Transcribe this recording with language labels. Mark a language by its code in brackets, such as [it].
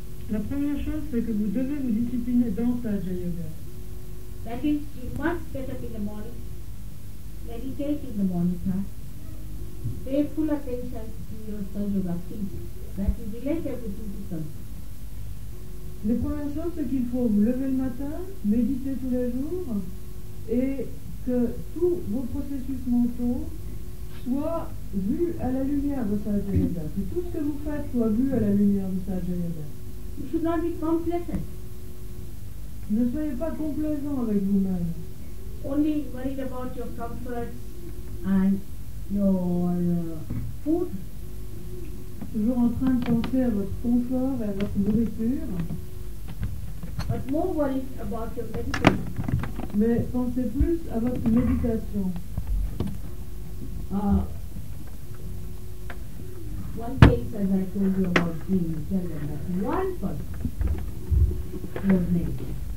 [fr] La première chose, c'est que vous devez vous discipliner dans Sahaja Yoga. [en] That is, you must get up in the morning, meditate in the morning time, pay full attention to your Sahaja Yoga feet, that you relate everything to something. [fr] Les premières choses, c'est qu'il faut vous lever le matin, méditer tous les jours, et que tous vos processus mentaux soient vus à la lumière de Sahaja Yoga, que tout ce que vous faites soit vu à la lumière de Sahaja Yoga. [en] You should not be complacent. [fr] Ne soyez pas complaisant avec vous-même. [en] Only worried about your comfort and your food. [fr] Toujours en train de penser à votre confort et à votre nourriture. [en] But more worried about your meditation. [fr] Mais pensez plus à votre méditation. [en] One case, as I told you about being Italian, that one person was meditating.